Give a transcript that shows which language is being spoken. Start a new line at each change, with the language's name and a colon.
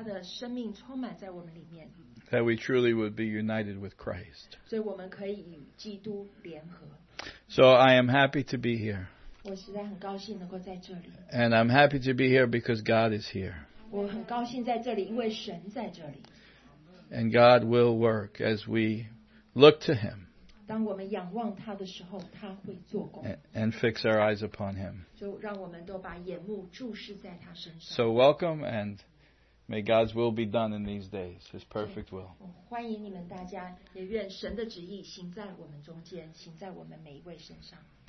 Chinese: 神能够把他的生命充满在我们里面,
English: that we truly would be united with Christ.
Chinese: 所以我们可以与基督联合。
English: So I am happy to be here.
Chinese: 我实在很高兴能够在这里。
English: And I'm happy to be here because God is here.
Chinese: 我很高兴在这里, 因为神在这里。
English: And God will work as we look to Him.
Chinese: 当我们仰望他的时候,
English: and fix our eyes upon Him. So welcome, and may God's will be done in these days, His perfect will.
Chinese: 欢迎你们大家, 也愿神的旨意行在我们中间, 行在我们每一位身上。